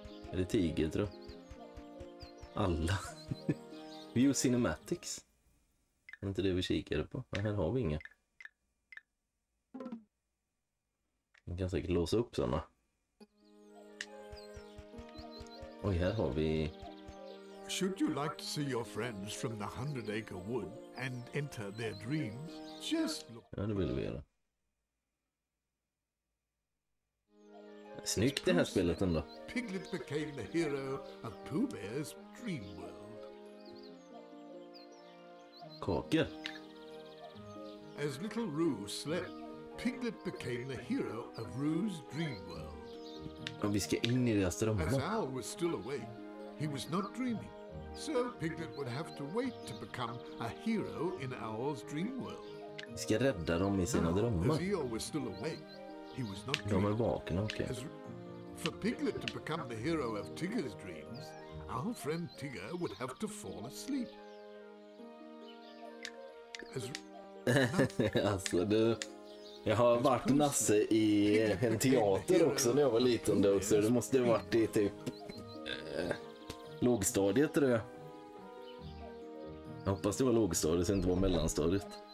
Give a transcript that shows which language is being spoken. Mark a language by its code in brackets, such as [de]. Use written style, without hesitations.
[sv] Är det tiger, tror jag? Alla. View Cinematics. Är inte det vi kikade på? Men här har vi inga. Vi kan säkert låsa upp sådana. Och här har vi... [en] Should you like to see your friends from the 100-acre wood and enter their dreams, just look... [sv] Ja, det vill vi göra. Snyggt det här spelet ändå. [en] Piglet became the hero of Pooh Bear's dream world. [sv] Kakor. [en] As little Roo slept, Piglet became the hero of Roo's dream world. [sv] Och vi ska in i deras drömmar. [en] As Owl was still awake, he was not dreaming. So Piglet would have to wait to become a hero in Owl's dream world. [sv] Vi ska rädda dem i sina drömmar. [en] As Eeyore was still awake, he was not dreaming. [sv] De är vakna, okej. [en] Okay. For Piglet to become the hero of Tigger's dreams, our friend Tigger would have to fall asleep. [sv] As... alltså, du... Jag har varit Nasse i en teater också när jag var liten då, så det måste ha varit i typ... lågstadiet, tror jag. Jag hoppas det var lågstadiet, så det inte var mellanstadiet.